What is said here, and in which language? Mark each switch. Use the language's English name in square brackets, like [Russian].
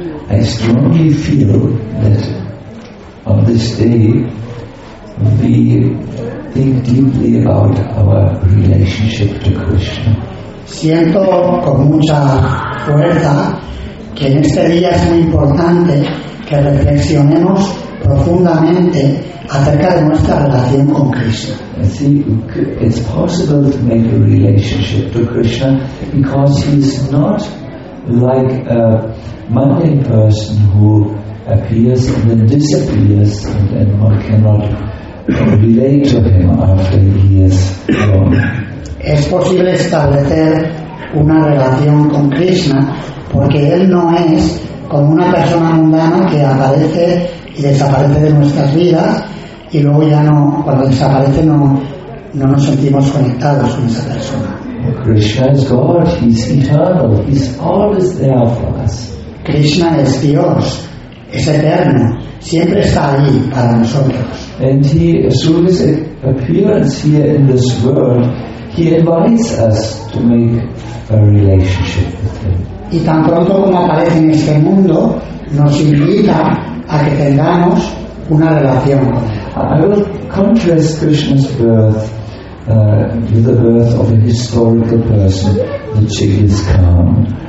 [English] I strongly feel that on this day we think deeply about our relationship to Krishna. [Spanish] Siento con mucha fuerza que en este día es muy importante que reflexionemos profundamente acerca de nuestra relación con Krishna. [English] I think it's possible to make a relationship to Krishna because he's not like a mundane person who appears and then disappears, and then one cannot relate to him after he is gone. [Spanish] Es posible establecer una relación con Krishna porque él no es como una persona mundana que aparece y desaparece de nuestras vidas y luego ya no, cuando desaparece no nos sentimos conectados con esa persona. [English] Krishna is God, he's eternal, he's always there for us. [Spanish] Krishna es Dios, es eterno, siempre está allí para nosotros. [English] And he, as soon as it appears here in this world, he invites us to make a relationship with him. [Spanish] Y tan pronto como aparece en este mundo, nos invita a que tengamos una relación con él. [English] I will contrast Krishna's birth with the birth of a historical person, the Genghis Khan.